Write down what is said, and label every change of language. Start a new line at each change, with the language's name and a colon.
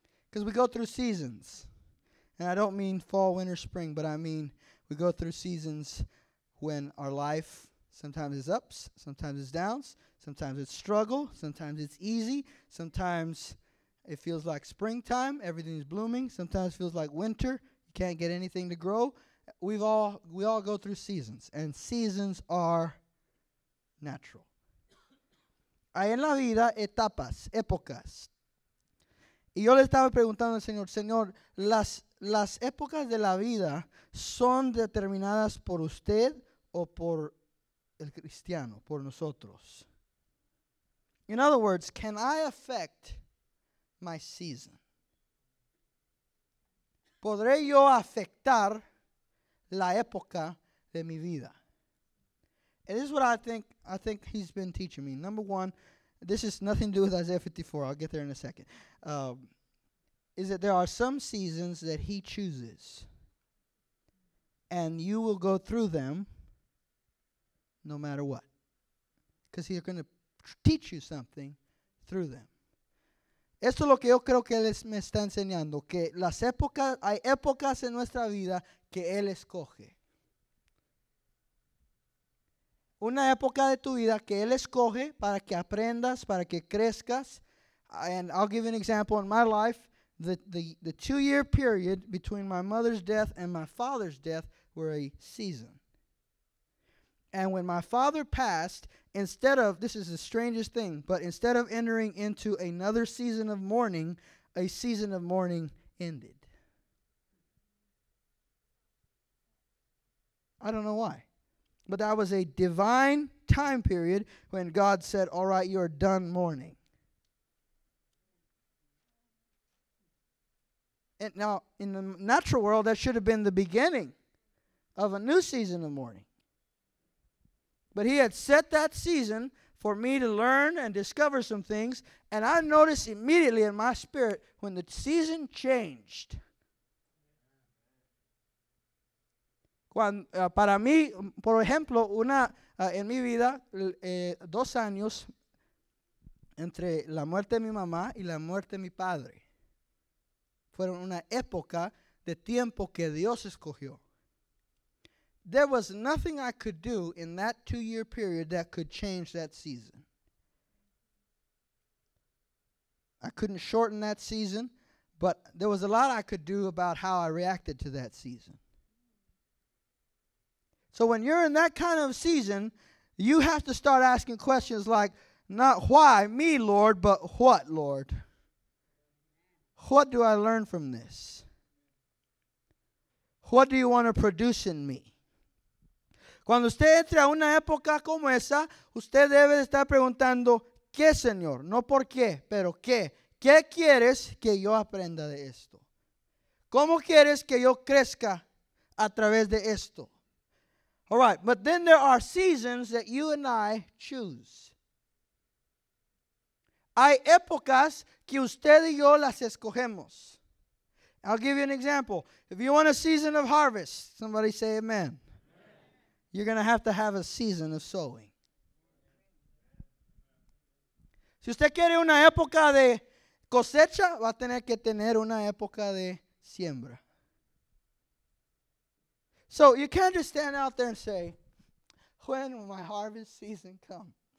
English: Because we go through seasons. And I don't mean fall, winter, spring, but I mean we go through seasons when our life sometimes is ups, sometimes it's downs, sometimes it's struggle, sometimes it's easy, sometimes it feels like springtime, everything's blooming, sometimes it feels like winter, you can't get anything to grow. We all go through seasons, and seasons are natural.
Spanish: Hay en la vida etapas, épocas. Y yo le estaba preguntando al Señor, Señor, las épocas de la vida son determinadas por usted o por el cristiano, por nosotros.
English: In other words, can I affect my season?
Spanish: ¿Podré yo afectar la época de mi vida?
English: And this is what I think He's been teaching me. Number one, this has nothing to do with Isaiah 54. I'll get there in a second. Is that there are some seasons that He chooses, and you will go through them no matter what, because He's going to teach you something through them.
Spanish: Esto es lo que yo creo que Él me está enseñando, que las épocas, hay épocas en nuestra vida que Él escoge. Una época de tu vida que Él escoge para que aprendas, para que crezcas.
English: And I'll give an example in my life. The two-year period between my mother's death and my father's death were a season. And when my father passed, instead of, this is the strangest thing, but instead of entering into another season of mourning, a season of mourning ended. I don't know why. But that was a divine time period when God said, all right, you're done mourning. And now, in the natural world, that should have been the beginning of a new season of mourning. But He had set that season for me to learn and discover some things. And I noticed immediately in my spirit when the season changed.
Spanish: Para mí, por ejemplo, en mi vida, dos años entre la muerte de mi mamá y la muerte de mi padre. Fueron una época de tiempo que Dios escogió.
English: There was nothing I could do in that two-year period that could change that season. I couldn't shorten that season, but there was a lot I could do about how I reacted to that season. So when you're in that kind of season, you have to start asking questions like, not why me, Lord, but what, Lord? What do I learn from this? What do you want to produce in me?
Spanish: Cuando usted entra a una época como esa, usted debe estar preguntando, ¿qué, Señor? No por qué, pero ¿qué? ¿Qué quieres que yo aprenda de esto? ¿Cómo quieres que yo crezca a través de esto?
English: All right, but then there are seasons that you and I choose.
Spanish: Hay épocas que usted y yo las escogemos.
English: I'll give you an example. If you want a season of harvest, somebody say amen. You're going to have a season of sowing.
Spanish: Si usted quiere una época de cosecha, va a tener que tener una época de siembra.
English: So you can't just stand out there and say, when will my harvest season come?